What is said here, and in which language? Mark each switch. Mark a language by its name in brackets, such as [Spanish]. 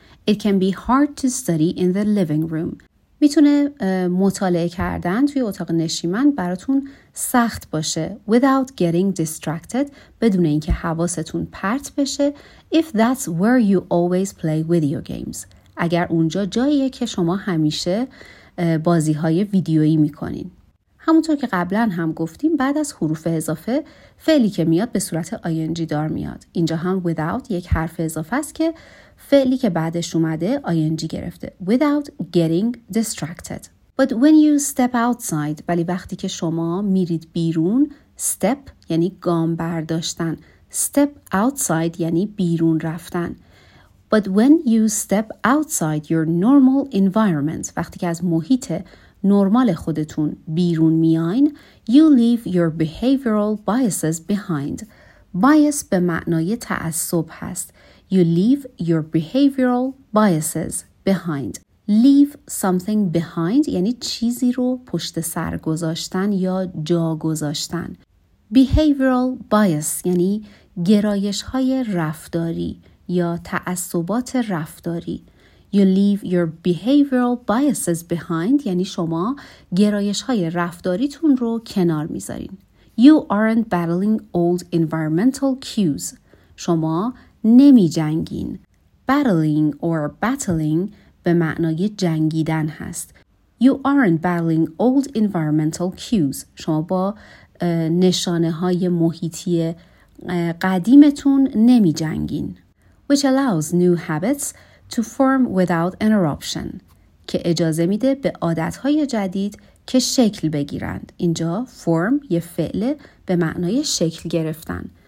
[English] It can be hard to study in the living room. [Persian] میتونه مطالعه کردن توی اتاق نشیمن براتون سخت باشه [English] without getting distracted, [Persian] بدون اینکه حواستون پرت بشه, [English] if that's where you always play video games. [Persian] اگر اونجا جاییه که شما همیشه بازی‌های ویدیویی می‌کنین. همونطور که قبلا هم گفتیم بعد از حروف اضافه فعلی که میاد به صورت ing دار میاد. اینجا هم without یک حرف اضافه است که فعلی که بعدش اومده ing گرفته. [English] Without getting distracted. But when you step outside, [Persian] ولی وقتی که شما میرید بیرون step یعنی گام برداشتن، [English] step outside [Persian] یعنی بیرون رفتن. [English] But when you step outside your normal environment، [Persian] وقتی که از محیط نرمال خودتون بیرون میاین، [English] you leave your behavioral biases behind. [Persian] Bias به معنای تعصب هست. [English] You leave your behavioral biases behind. Leave something behind [Persian] یعنی چیزی رو پشت سر گذاشتن یا جا گذاشتن. [English] Behavioral bias [Persian] یعنی گرایش‌های رفتاری یا تعصبات رفتاری. [English] You leave your behavioral biases behind [Persian] یعنی شما گرایش‌های رفتاریتون رو کنار می‌ذارین. [English] You aren't battling old environmental cues. [Persian] شما نمی‌جنگین. [English] Battling or battling [Persian] به معنای جنگیدن هست. [English] You aren't battling old environmental cues. [Persian] شما با نشانه‌های محیطی قدیمتون نمی‌جنگین. [English] Which allows new habits to form without interruption. [Persian] که اجازه میده به عادت‌های جدید که شکل بگیرند. اینجا form یه فعل به معنای شکل گرفتن.